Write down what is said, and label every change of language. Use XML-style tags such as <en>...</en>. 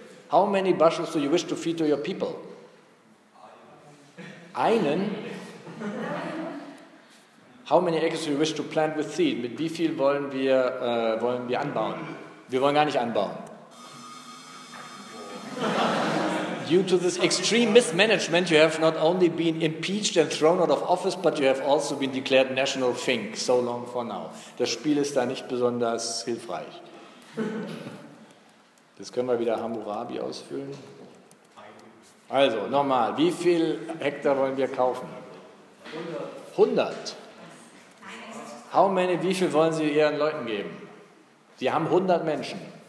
<en>How many bushels do you wish to feed to your people?</en> <de>Einen.</de> <en>How many acres do you wish to plant with seed?</en> <de>Mit wie viel wollen wir anbauen? Wir wollen gar nicht anbauen.</de> <en>Due to this extreme mismanagement, you have not only been impeached and thrown out of office, but you have also been declared national fink. So long for now.</en> <de>Das Spiel ist da nicht besonders hilfreich. Das können wir wieder Hammurabi ausfüllen. Also, nochmal, wie viel Hektar wollen wir kaufen? 100.</de> <en>How many,</en> <de>wie viel wollen Sie Ihren Leuten geben? Sie haben 100 Menschen.</de>